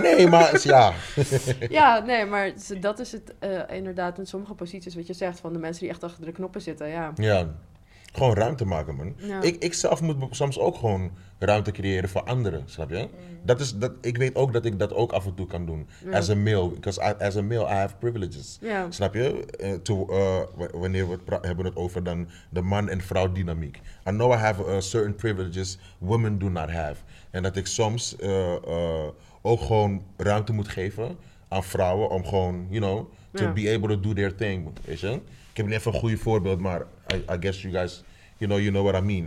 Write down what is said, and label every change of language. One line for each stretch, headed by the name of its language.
Dutch: Nee, maar ja. Ja, nee, maar dat is het inderdaad in sommige posities wat je zegt van de mensen die echt achter de knoppen zitten, ja. Ja. Gewoon ruimte maken, man. Ja. Ik zelf moet soms ook gewoon ruimte creëren voor anderen, snap je? Mm. Ik weet ook dat ik dat ook af en toe kan doen. Mm.
English: As a male, because as a male, I have privileges. Yeah.
Dutch: Snap je? Wanneer we het hebben het over dan de man- en vrouw dynamiek.
English: I know I have certain privileges women do not have.
Dutch: En dat ik soms ook gewoon ruimte moet geven aan vrouwen om gewoon,
English: you know, to be able to do their thing,
Dutch: weet je? Ik heb niet even een goede voorbeeld, maar
English: I guess you guys, you know what I mean.